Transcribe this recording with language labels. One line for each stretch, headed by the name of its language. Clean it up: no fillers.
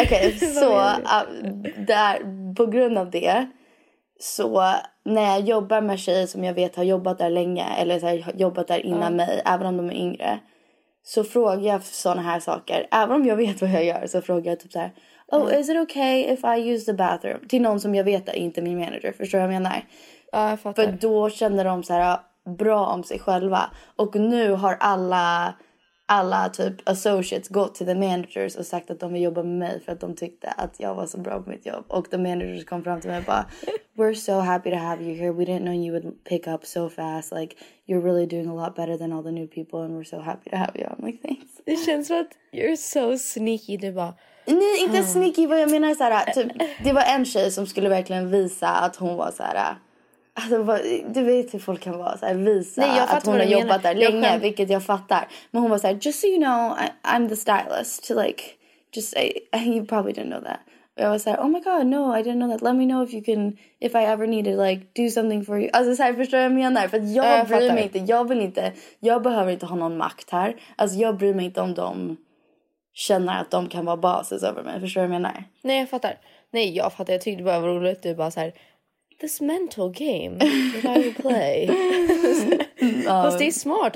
Swedish: Okej, så där, på grund av det. Så när jag jobbar med tjejer som jag vet har jobbat där länge. Eller så här, jobbat där innan mig. Även om de är yngre. Så frågar jag såna här saker. Även om jag vet vad jag gör, så frågar jag typ så här.
English: Oh, is it okay if I use the bathroom?
Swedish: Till någon som jag vet är inte min manager. Förstår jag vad jag menar? Ja, jag fattar. För då känner de så här bra om sig själva. Och nu har alla typ associates gått till
English: the managers
Swedish: och sagt att de vill jobba med mig för att de tyckte att jag var så bra på mitt jobb. Och
English: the managers
Swedish: kom fram till mig och bara,
English: we're so happy to have you here. We didn't know you would pick up so fast. Like, you're really doing a lot better than all the new people and we're so happy to have you. I'm like, thanks.
Swedish: Det känns som att
English: you're so sneaky.
Swedish: Det bara, nej, inte sneaky. Vad jag menar är så här, typ, det var en tjej som skulle verkligen visa att hon var så här. Alltså, du vet hur folk kan vara så här, visa. Nej, jag att hon har jobbat där länge, vilket jag fattar. Men hon var så här,
English: just so you know, I'm the stylist. To like, just you probably didn't know that.
Swedish: Och jag var så här,
English: oh my god, no, I didn't know that. Let me know if you can, if I ever need to like do something for you.
Swedish: Alltså så här, förstår jag menar? För att jag bryr mig inte, jag vill inte, jag behöver inte ha någon makt här. Alltså jag bryr mig inte om de känner att de kan vara bases över mig. Förstår jag menar? Nej, jag fattar. Nej, jag fattar. Jag tyckte det bara var roligt. Du bara så här,
English: this mental game that I play.
Swedish: Fast det är smart.